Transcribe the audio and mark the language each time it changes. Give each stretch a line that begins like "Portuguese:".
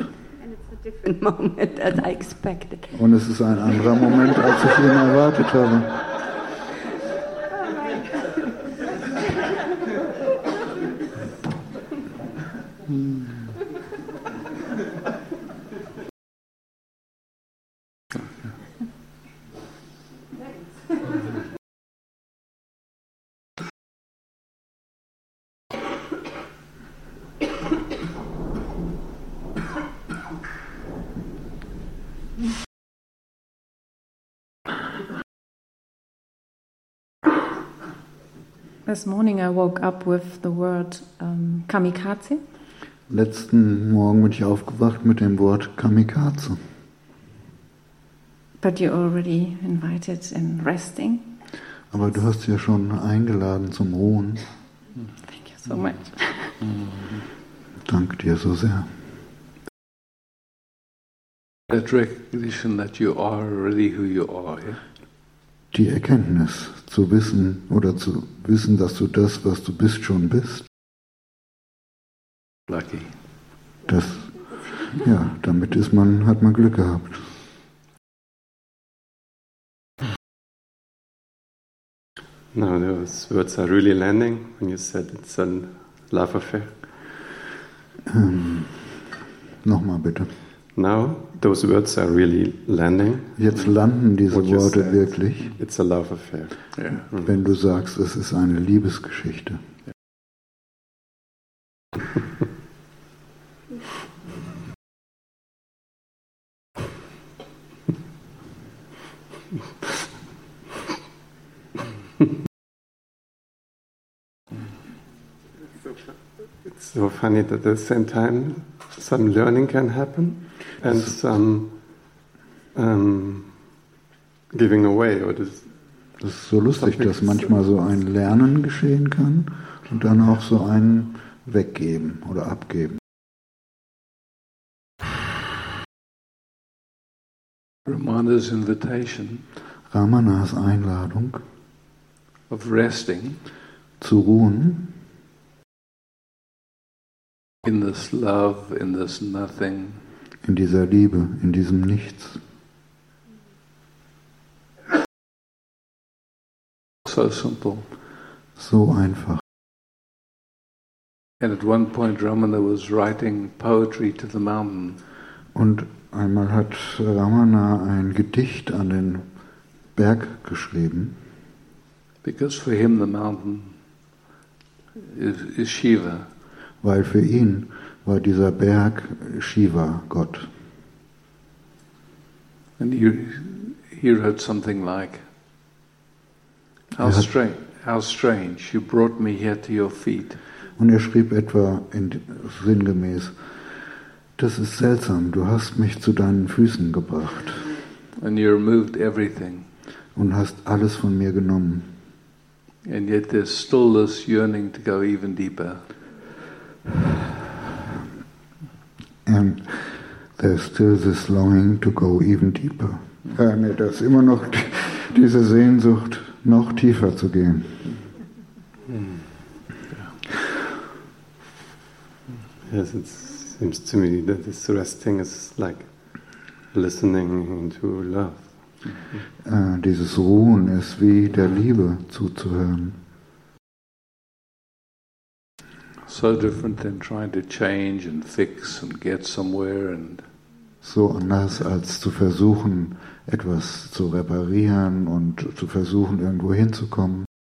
English: And it's a different moment as I expected.
German: Und es ist ein anderer Moment, als ich ihn erwartet habe.
English: This morning I woke up with the word kamikaze.
German: Letzten Morgen bin ich aufgewacht mit dem Wort Kamikaze.
English: But you already invited in resting.
German: Aber du hast ja schon eingeladen zum Ruhen.
English: Thank you so much.
German: Danke dir so sehr.
English: That recognition that you are really who you are. Yeah?
German: Die Erkenntnis zu wissen oder zu wissen, dass du das, was du bist, schon bist.
English: Lucky.
German: Das, ja, damit ist man, hat man Glück gehabt.
English: Now those words are really landing when you said it's a love affair.
German: Nochmal bitte.
English: Now those words are really landing.
German: Jetzt landen diese Worte wirklich.
English: It's a love affair. Yeah.
German: Wenn du sagst, es ist eine Liebesgeschichte.
English: It's so funny that at the same time some learning can happen. And some giving away, or does
German: das ist so lustig, dass manchmal so ein Lernen geschehen kann und dann auch so ein Weggeben oder Abgeben.
English: Ramana's invitation,
German: Ramanas Einladung,
English: of resting,
German: zu ruhen,
English: in this love, in this nothing,
German: in dieser Liebe, in diesem Nichts.
English: So simple,
German: so einfach.
English: And at one point, Ramana was writing poetry to the mountain.
German: Und einmal hat Ramana ein Gedicht an den Berg geschrieben.
English: Because for him the mountain is Shiva.
German: Weil für ihn war dieser Berg Shiva, Gott.
English: And he wrote something like, How strange, you brought me here to your feet.
German: Und er schrieb etwa sinngemäß, das ist seltsam, du hast mich zu deinen Füßen gebracht.
English: And you removed everything.
German: Und hast alles von mir genommen.
English: And yet there's still this yearning to go even deeper. And there's still this longing to go even deeper.
German: Da ist immer noch diese Sehnsucht, noch tiefer zu gehen.
English: Yes, it seems to me that this resting is like listening to love.
German: Dieses Ruhen ist wie der Liebe zuzuhören.
English: So different than trying to change and fix and get somewhere and
German: so anders als zu versuchen, etwas zu reparieren und zu versuchen, irgendwo hinzukommen.